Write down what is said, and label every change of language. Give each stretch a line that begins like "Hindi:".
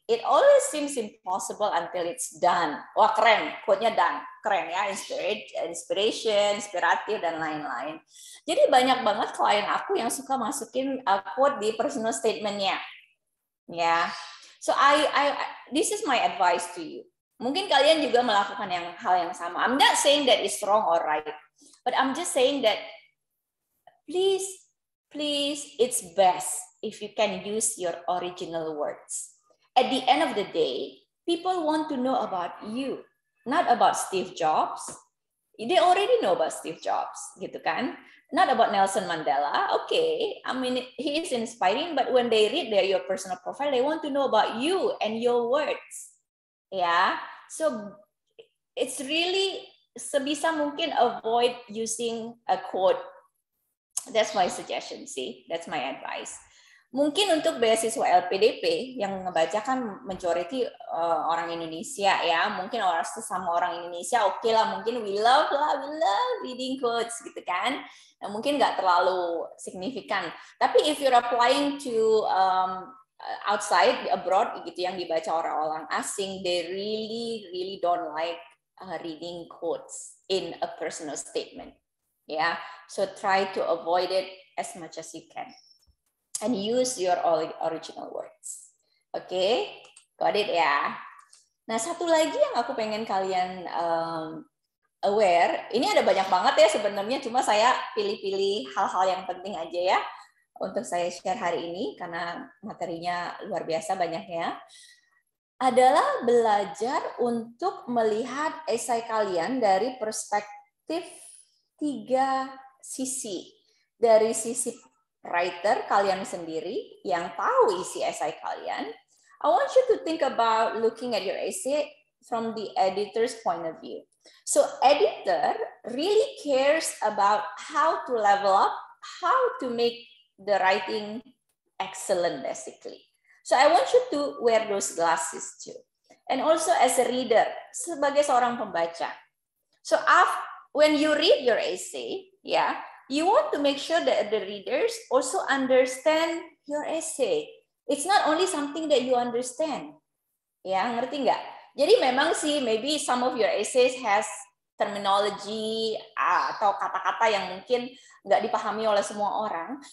English: It always seems impossible until it's done.
Indonesian: Wah keren, quote-nya done. Keren ya, inspiration, inspiratif, dan lain-lain. Jadi banyak banget klien aku yang suka masukin quote di personal statement-nya. Ya.
English: So I this is my advice to you.
Indonesian: Mungkin kalian juga melakukan yang hal yang sama.
English: I'm not saying that it's wrong or right. But I'm just saying that please it's best if you can use your original words. At the end of the day, people want to know about you, not about Steve Jobs. They already know about Steve Jobs,
Indonesian: gitu kan?
English: Not about Nelson Mandela. Okay, I mean he is inspiring, but when they read their your personal profile, they want to know about you and your words. Yeah. So it's really
Indonesian: sebisa mungkin
English: avoid using a quote. That's my suggestion, see? That's my advice.
Indonesian: Mungkin untuk beasiswa LPDP yang ngebaca kan majority orang Indonesia ya. Mungkin orang sesama orang Indonesia okay lah, mungkin
English: we love reading quotes
Indonesian: gitu kan. Nah, mungkin enggak terlalu signifikan.
English: Tapi if you're applying to outside abroad
Indonesian: gitu yang dibaca orang-orang asing,
English: they really really don't like reading quotes in a personal statement. Yeah, so try to avoid it as much as you can. And use your original words. Okay, got it ya.
Indonesian: Nah, satu lagi yang aku pengen kalian aware, ini ada banyak banget ya sebenarnya, cuma saya pilih-pilih hal-hal yang penting aja ya untuk saya share hari ini, karena materinya luar biasa banyaknya, adalah belajar untuk melihat esai kalian dari perspektif tiga sisi. Dari sisi writer kalian sendiri yang tahu isi esai kalian,
English: I want you to think about looking at your essay from the editor's point of view. So editor really cares about how to level up, how to make the writing excellent basically. So I want you to wear those glasses too. And also as a reader,
Indonesian: sebagai seorang pembaca.
English: So after when you read your essay, yeah, you want to make sure that the readers also understand your essay. It's not only something that you understand. Yeah,
Indonesian: ngerti nggak? Jadi memang sih,
English: maybe some of your essays has terminology
Indonesian: atau kata-kata yang mungkin nggak dipahami oleh semua orang.